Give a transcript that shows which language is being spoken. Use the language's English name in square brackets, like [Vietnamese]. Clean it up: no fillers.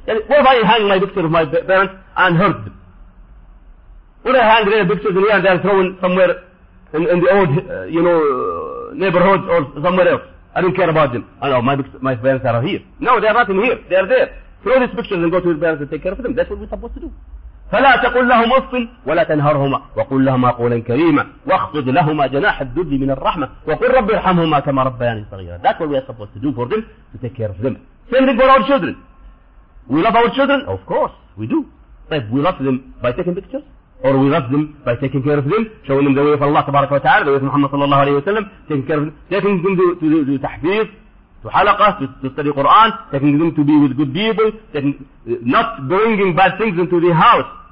[English] What if I hang my picture of my parents and hurt them? Would I hang their pictures in here and they're thrown somewhere in the old, neighborhood or somewhere else? I don't care about them. I know my parents are here. No, they're not in here. They're there. Throw these pictures and go to your parents and take care of them. That's what we're supposed to do. [Arabic] فلا تقل لهم اف ولا تنهرهما وقل لهما قولا كريما واخفض لهما جناح الذل من الرحمه وقل رب ارحمهما كما ربياني صغيرا. [English] That's what we are supposed to do for them, to take care of them. Same thing for our children. We love our children? Of course, we do. But we love them by taking pictures? Or we love them by taking care of them, showing them the way of Allah subhanahu wa ta'ala, the way of Muhammad sallallahu alayhi wa sallam, taking care of them, taking them to tahfiz, to halaqah, to study Quran, taking them to be with good people, taking, not bringing bad things into the house.